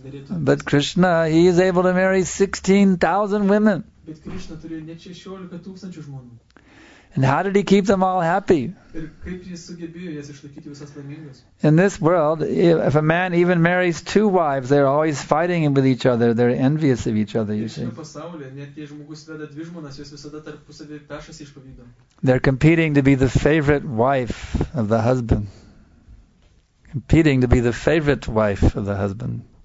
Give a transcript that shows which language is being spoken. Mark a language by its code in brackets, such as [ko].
[en] But Krishna, he is able to marry 16,000 women. [lt] Bet Krishna turėjo net 16 tūkstančių žmonių. [en] And how did he keep them all happy? [lt] Ir kaip jis sugebėjo jas išlaikyti visas laimingas? [en] In this world, if a man even marries two wives, they're always fighting with each other. They're envious of each other, you see. [lt] Pasaulyje, net jei žmogus veda dvi žmonas, jos visada tarpusavyje pešasi iš pavydo. [en] They're competing to be the favorite wife of the husband. Competing to be the favorite wife of the husband.